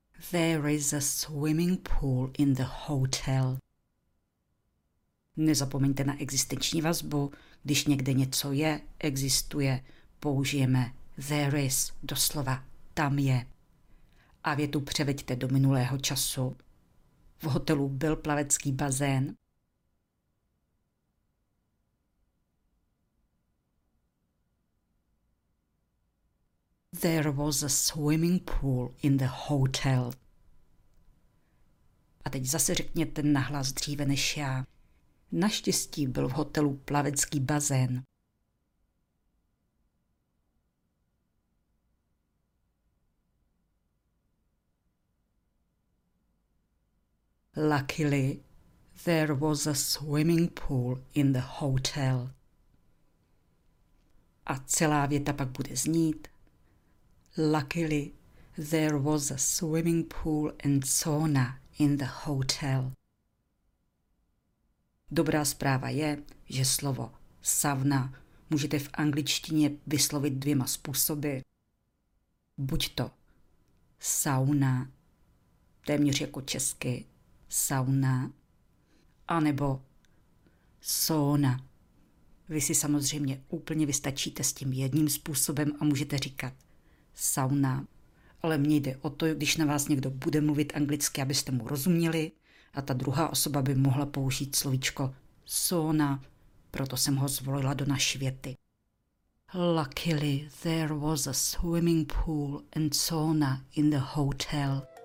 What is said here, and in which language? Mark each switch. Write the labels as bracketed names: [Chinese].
[English] There is a swimming pool in the hotel. [Czech] Nezapomeňte na existenční vazbu. Když někde něco je, existuje, použijeme [English] there is, [Czech] doslova tam je. A větu převeďte do minulého času. V hotelu byl plavecký bazén. [English] There was a swimming pool in the hotel. [Czech] A teď zase řekněte nahlas dříve než já. Naštěstí byl v hotelu plavecký bazén. [English] Luckily, there was a swimming pool in the hotel. [Czech] A celá věta pak bude znít. [English] Luckily, there was a swimming pool and sauna in the hotel. [Czech] Dobrá zpráva je, že slovo sauna můžete v angličtině vyslovit dvěma způsoby. Buď to sauna, téměř jako česky, sauna, anebo sauna. Vy si samozřejmě úplně vystačíte s tím jedním způsobem a můžete říkat sauna ale mně jde o to, když na vás někdo bude mluvit anglicky, abyste mu rozuměli a ta druhá osoba by mohla použít slovíčko sona, proto jsem ho zvolila do naší věty. [English] Luckily, there was a swimming pool and sauna in the hotel.